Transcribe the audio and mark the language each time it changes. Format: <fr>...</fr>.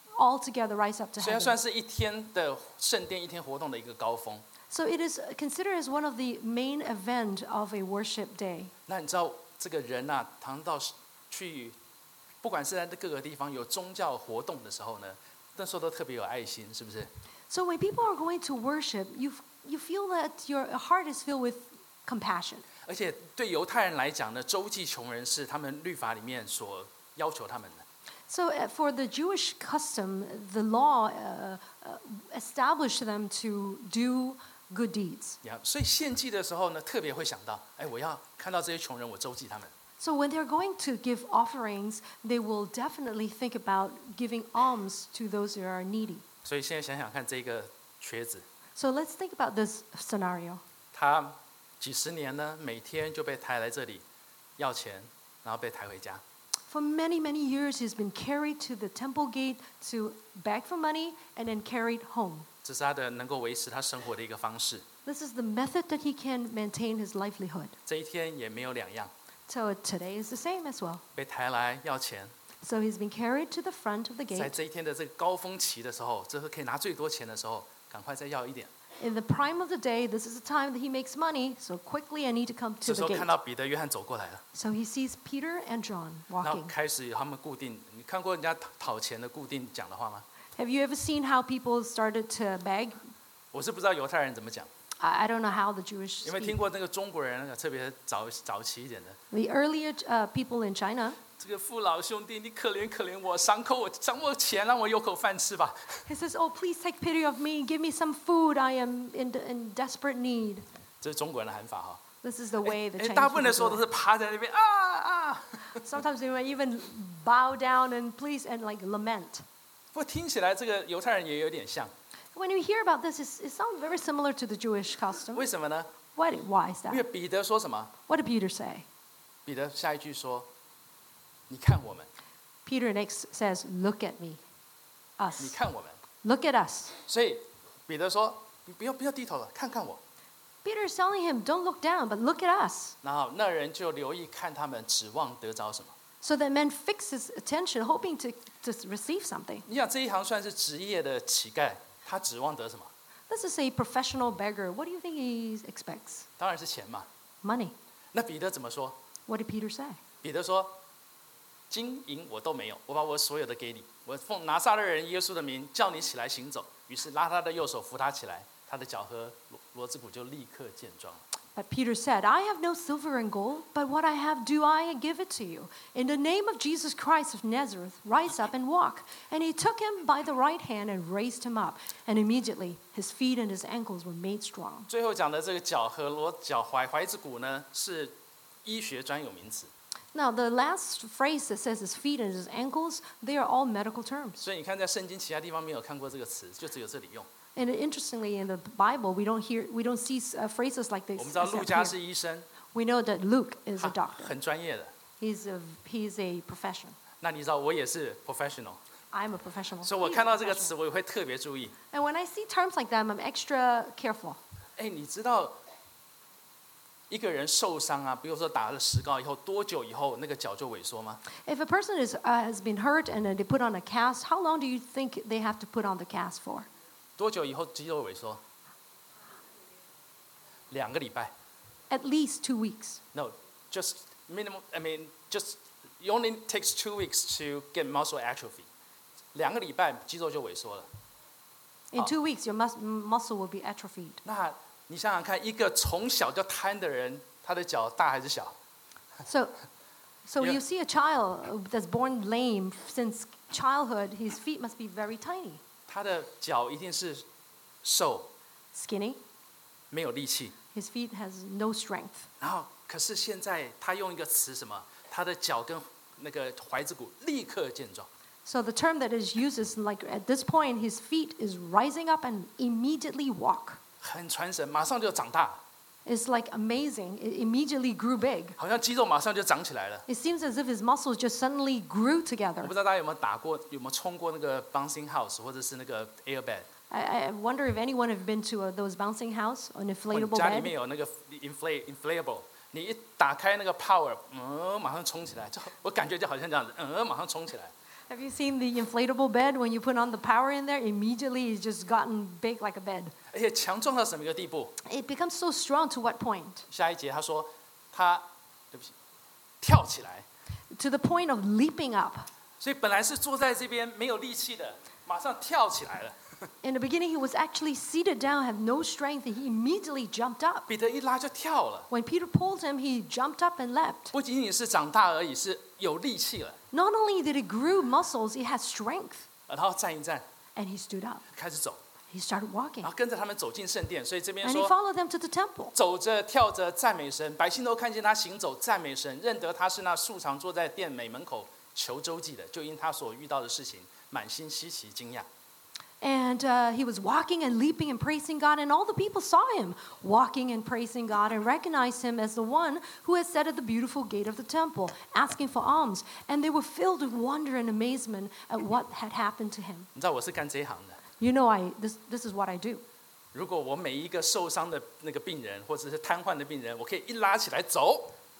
<en>all together rise up to heaven.</en> <zh>虽然算是一天的圣殿一天活动的一个高峰。</zh> <en>So it is considered as one of the main event of a worship day.</en> <zh>那你知道这个人啊，谈到去，不管是在各个地方有宗教活动的时候呢，那时候都特别有爱心，是不是？</zh> <en>So when people are going to worship, you feel that your heart is filled with compassion.</en> <zh>而且对犹太人来讲呢，周济穷人是他们律法里面所要求他们的。</zh> <en>So for the Jewish custom, the law established them to do good deeds.</en> <zh>Yeah, 所以献祭的时候呢，特别会想到，哎，我要看到这些穷人，我周济他们。</zh> <en>So when they're going to give offerings, they will definitely think about giving alms to those who are needy.</en> <zh>所以现在想想看这个瘸子。</zh> <en>So let's think about this scenario.</en> <zh>他几十年呢，每天就被抬来这里要钱，然后被抬回家。</zh> <en>For many, many years, he's been carried to the temple gate to beg for money and then carried home.</en> <zh>这是他的能够维持他生活的一个方式。</zh> <en>This is the method that he can maintain his livelihood.</en> <zh>这一天也没有两样。</zh> <en>So today is the same as well.</en> <zh>被抬来要钱。</zh> <en>So he's been carried to the front of the gate.</en> <zh>在这一天的这个高峰期的时候，这是可以拿最多钱的时候，赶快再要一点。</zh> <en>In the prime of the day, this is the time that he makes money, so quickly I need to come to the gate.</en> <zh>这时候看到彼得、约翰走过来了。</zh> <en>So he sees Peter and John walking.</en> <zh>然后开始他们固定，你看过人家讨钱的固定讲的话吗？</zh> <en>Have you ever seen how people started to beg?</en> <zh>我是不知道犹太人怎么讲。</zh> <en>I don't know how the Jewish speak.</en> <zh>因为听过那个中国人，特别早期一点的。</zh> <en>The earlier people in China.</en> <zh>这个父老兄弟，你可怜可怜我，赏我钱，让我有口饭吃吧。</zh> <en>He says, "Oh, please take pity of me. Give me some food. I am in desperate need."</en> <zh>这是中国人的喊法哈。</zh> <en>This is the way the Chinese.</en> <zh>大部分的时候都是趴在那边啊啊。</zh> <en>Sometimes they would even bow down and please and like lament.</en> <zh>不过听起来这个犹太人也有点像。</zh> <en>When you hear about this, it sounds very similar to the Jewish custom.</en> <zh>为什么呢？</zh> <en>Why is that?</en> <zh>因为彼得说什么？</zh> <en>What did Peter say?</en> <zh>彼得下一句说，你看我们。</zh> <en>Peter next says, look at me, us.</en> <zh>你看我们。</zh> <en>Look at us.</en> <zh>所以彼得说，你不要低头了，看看我。</zh> <en>Peter is telling him, don't look down, but look at us.</en> <zh>然后那人就留意看他们，指望得着什么。</zh> <en>So that man fixes his attention, hoping to receive something.</en> <zh>你想这一行算是职业的乞丐。他指望得什么？</zh> <en>This is a professional beggar. What do you think he expects?</en> <zh>当然是钱嘛。</zh> <en>Money.</en> <zh>那彼得怎么说？</zh> <en>What did Peter say?</en> <zh>彼得说，金银我都没有，我把我所有的给你。我奉拿撒勒人耶稣的名叫你起来行走。于是拉他的右手扶他起来，他的脚和骡子骨就立刻健壮。</zh> <en>But Peter said, I have no silver and gold, but what I have do I give it to you. In the name of Jesus Christ of Nazareth, rise up and walk. And he took him by the right hand and raised him up. And immediately his feet and his ankles were made strong.</en> <zh>最后讲的这个脚和脚踝踝子骨呢，是医学专有名词。</zh> <en>Now the last phrase that says his feet and his ankles, they are all medical terms.</en> <zh>所以你看在圣经其他地方没有看过这个词，就只有这里用。</zh> <en>And interestingly, in the Bible, we don't see phrases like this.</en> <zh>我们知道路加是医生。</zh> <en>We know that Luke is a doctor.</en> <zh>很专业的。</zh> <en>He's a professional.</en> <zh>那你知道我也是 professional.</zh> <en>I'm a professional.</en> <zh>所以我看到这个词，我也会特别注意。</zh> <en>And when I see terms like them, I'm extra careful.</en> <zh>哎，你知道一个人受伤啊，比如说打了石膏以后，多久以后那个脚就萎缩吗</zh> <en>？If a person is has been hurt and they put on a cast, how long do you think they have to put on the cast for?</en> <zh>多久以后肌肉萎缩？两个礼拜。</zh> <en>At least 2 weeks. No, just minimum. I mean, just it only takes 2 weeks to get muscle atrophy.</en> <zh>两个礼拜肌肉就萎缩了。</zh> <en>In 2 weeks, your muscle will be atrophied.</en> <zh>那你想想看，一个从小就瘫的人，他的脚大还是小</zh> <en>？So you see a child that's born lame since childhood, his feet must be very tiny.</en> <zh>他的脚一定是瘦</zh> <en>，skinny，</en> <zh>没有力气。</zh> <en>His feet has no strength.</en> <zh>然后，可是现在他用一个词什么？他的脚跟那个踝子骨立刻健壮。</zh> <en>So the term that is used is like at this point, his feet is rising up and immediately walk.</en> <zh>很传神，马上就长大。</zh> <en>It's like amazing. It immediately grew big.</en> <zh>好像肌肉马上就长起来了。</zh> <en>It seems as if his muscles just suddenly grew together.</en> <zh>我不知道大家有没有打过，有没有冲过那个</zh> <en>bouncing house</en> <zh>或者是那个</zh> <en>air bed. I wonder if anyone have been to those bouncing house or inflatable bed.</en> <zh>家里面有那个 inflatable， 你一打开那个 power， 马上冲起来，我感觉就好像这样子，马上冲起来。</zh> <en>Have you seen the inflatable bed? When you put on the power in there, immediately it's just gotten big like a bed.</en> <zh>而且强壮到什么一个地步？</zh> <en>It becomes so strong to what point?</en> <zh>下一节他说他，对不起，跳起来。</zh> <en>To the point of leaping up.</en> <zh>所以本来是坐在这边没有力气的，马上跳起来了。</zh> <en>In the beginning, he was actually seated down, had no strength, and he immediately jumped up.</en> <zh>彼得一拉就跳了。</zh> <en>When Peter pulled him, he jumped up and leapt.</en> <zh>不仅仅是长大而已，是有力气了。</zh> <en>Not only did it grow muscles, it had strength.</en> <zh>然后站一站。</zh> <en>And he stood up.</en> <zh>开始走。</zh> <en>He started walking.</en> <zh>然后跟着他们走进圣殿，所以这边说。</zh> <en>And he followed them to the temple.</en> <zh>走着跳着赞美神，百姓都看见他行走赞美神，认得他是那素常坐在殿美门口求周济的，就因他所遇到的事情，满心稀奇惊讶。</zh> <en>And he was walking and leaping and praising God, and all the people saw him walking and praising God and recognized him as the one who had sat at the beautiful gate of the temple asking for alms. And they were filled with wonder and amazement at what had happened to him. You know, this is what I do.</en> <zh>如果我每一个受伤的那个病人或者是瘫痪的病人，我可以一拉起来走。</zh>